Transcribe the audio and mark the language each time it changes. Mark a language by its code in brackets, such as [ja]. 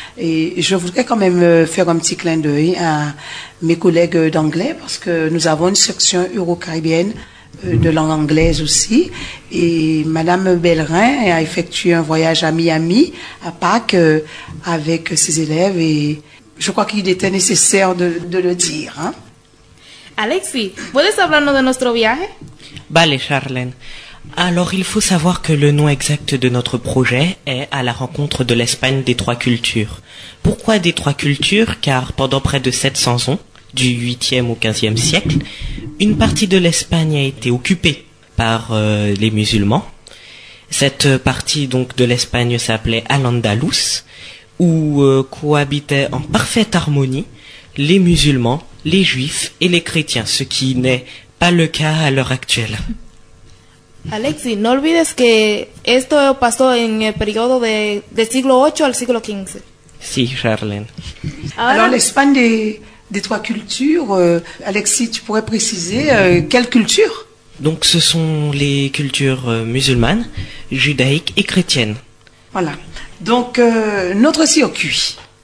[fr] Et je voudrais quand même faire un petit clin d'œil à mes collègues d'anglais, parce que nous avons une section eurocaribéenne de langue anglaise aussi. Et Madame Bellerin a effectué un voyage à Miami, à Pâques, avec ses élèves. Et je crois qu'il était nécessaire de le dire. Hein? [es] Alexis, puedes hablarnos de [fr] notre voyage? [es] Vale, Charlene. [fr] Alors, il faut savoir que le nom exact de notre projet est « À la rencontre de l'Espagne des trois cultures ». Pourquoi des trois cultures? Car pendant près de 700 ans, du 8e au 15e siècle, une partie de l'Espagne a été occupée par les musulmans. Cette partie donc de l'Espagne s'appelait Al-Andalus, où cohabitaient en parfaite harmonie les musulmans, les juifs et les chrétiens, ce qui n'est pas le cas à l'heure actuelle. [es] Alexis, no olvides que esto pasó en el periodo de siglo 8 al siglo 15. Sí, Charlene. [fr] Alors l'Espagne des trois cultures, Alexis, tu pourrais préciser quelles cultures? Donc ce sont les cultures musulmanes, judaïques et chrétiennes. Voilà. Donc notre circuit.